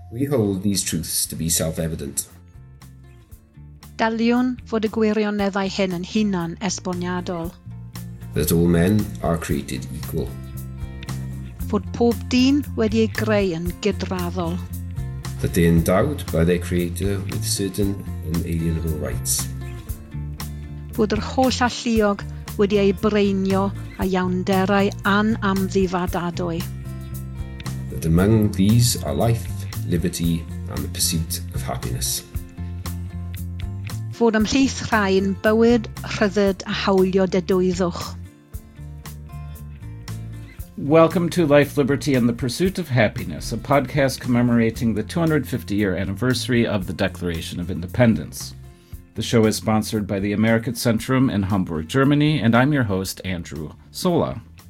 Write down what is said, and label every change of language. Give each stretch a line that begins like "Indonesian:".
English: hold these truths to be self-evident.
Welsh: Dalion fod y gwirioneddau hyn yn hunan esboniadol.
English: That all men are created equal.
Welsh: Fod pob dyn wedi ei greu yn gydraddol.
English: That they are endowed by their creator with certain inalienable rights.
Welsh: Fod yr holl alluog wedi ei breinio a iawnderau anamddifadadwy.
English: That among these are life, liberty and the pursuit of happiness.
Welsh: Fod ymhlith rhai'n bywyd, rhyddid a hawlio dedwyddwch.
English: Welcome to Life, Liberty and the Pursuit of Happiness, a podcast commemorating the 250-year anniversary of the Declaration of Independence. The show is sponsored by the Amerikazentrum in Hamburg, Germany, and I'm your host, Andrew Sola.